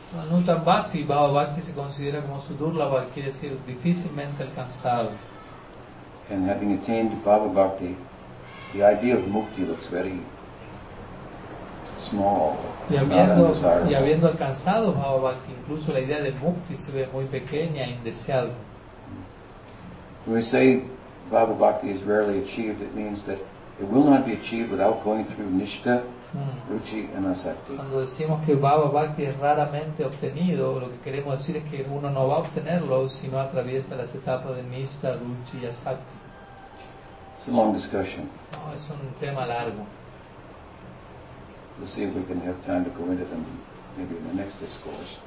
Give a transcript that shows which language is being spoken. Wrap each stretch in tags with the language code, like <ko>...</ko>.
<es>En Uttam Bhakti, Bhava Bhakti se considera como Sudurlabha, quiere decir difícilmente alcanzado.</es> <en>And having attained Bhava Bhakti, the idea of mukti looks very small.</en> <es>Y habiendo alcanzado Bhava Bhakti, incluso la idea de mukti se ve muy pequeña e indeseable.</es> <en>When we say Bhava Bhakti is rarely achieved, it means that it will not be achieved without going through nishta, ruchi, and asakti.</en> <es>Cuando decimos que Bhava Bhakti es raramente obtenido, lo que queremos decir es que uno no va a obtenerlo si no atraviesa las etapas de nishta, ruchi y asakti.</es> <en>It's a long discussion.</en> <es>No, es un tema largo.</es> <en>We'll see if we can have time to go into them maybe in the next discourse.</en>